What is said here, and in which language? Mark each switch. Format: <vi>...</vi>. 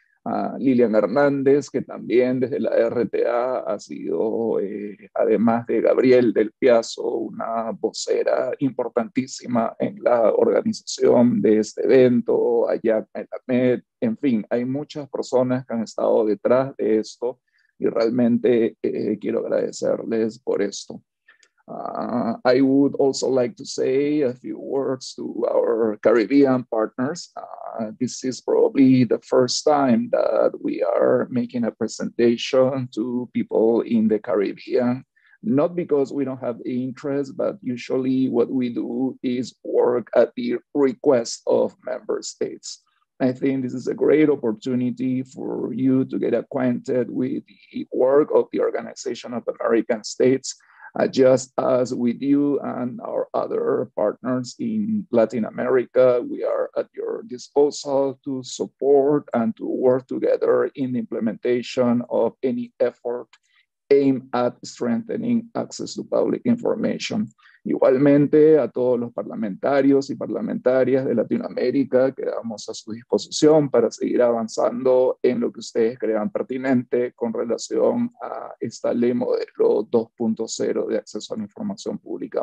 <es>a Lilian Hernández, que también desde la RTA ha sido, además de Gabriel del Piazo, una vocera importantísima en la organización de este evento, allá en la MED. En fin, hay muchas personas que han estado detrás de esto y realmente quiero agradecerles por esto.</es> <en>I would also like to say a few words to our Caribbean partners. This is probably the first time that we are making a presentation to people in the Caribbean, not because we don't have interest, but usually what we do is work at the request of member states. I think this is a great opportunity for you to get acquainted with the work of the Organization of American States, just as with you and our other partners in Latin America, we are at your disposal to support and to work together in the implementation of any effort aimed at strengthening access to public information.</en> <es>Igualmente, a todos los parlamentarios y parlamentarias de Latinoamérica, quedamos a su disposición para seguir avanzando en lo que ustedes crean pertinente con relación a esta ley modelo 2.0 de acceso a la información pública.</es>